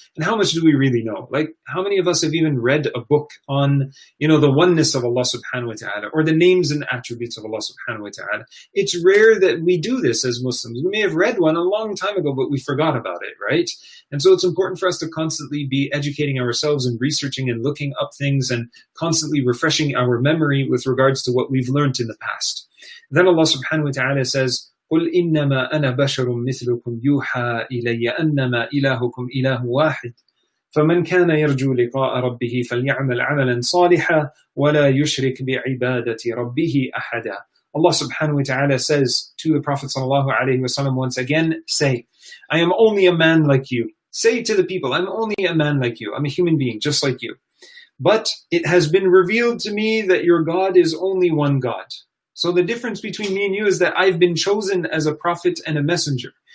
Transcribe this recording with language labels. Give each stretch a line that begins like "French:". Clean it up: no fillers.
English: And how much do we really know? Like, how many of us have even read a book on, you know, the oneness of Allah subhanahu wa ta'ala, or the names and attributes of Allah subhanahu wa ta'ala? It's rare that we do this as Muslims. We may have read one a long time ago, but we forgot about it, right? And so it's important for us to constantly be educating ourselves and researching and looking up things and constantly refreshing our memory with regards to what we've learned in the past. Then Allah subhanahu wa ta'ala says,
Arabic: قُلْ إِنَّمَا أَنَا بَشَرٌ مِثْلُكُمْ يُوحَى إِلَيَّ أَنَّمَا إِلَهُكُمْ إِلَهُ وَاحِدٌ فَمَنْ كَانَ يَرْجُو لِقَاءَ رَبِّهِ فَلْيَعْمَلْ عَمَلًا صَالِحًا وَلَا يُشْرِكْ بِعِبَادَةِ رَبِّهِ أَحَدًا.
English: Allah subhanahu wa ta'ala says to the Prophet sallallahu alayhi wa sallam once again, say, I am only a man like you. Say to the people, I'm only a man like you. I'm a human being just like you. But it has been revealed to me that your God is only one God. So the difference between me and you is that I've been chosen as a prophet and a messenger.